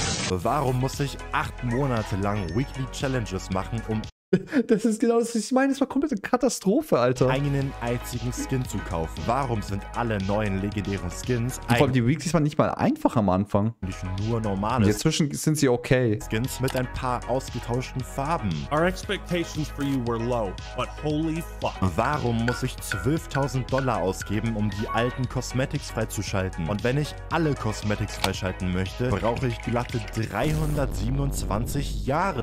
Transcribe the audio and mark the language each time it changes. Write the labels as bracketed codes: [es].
[de] Warum muss ich 8 Monate lang Weekly Challenges machen, um... Das ist genau das, was ich meine. Das war komplette Katastrophe, Alter. ...einen einzigen Skin zu kaufen. Warum sind alle neuen legendären Skins... Vor allem die Weeklies waren nicht mal einfach am Anfang. ...nicht nur normale... Und inzwischen sind sie okay. ...Skins mit ein paar ausgetauschten Farben. [en] Our expectations for you were low, but holy fuck. [de] Warum muss ich $12,000 ausgeben, um die alten Cosmetics freizuschalten? Und wenn ich alle Cosmetics freischalten möchte, brauche ich glatte 327 Jahre.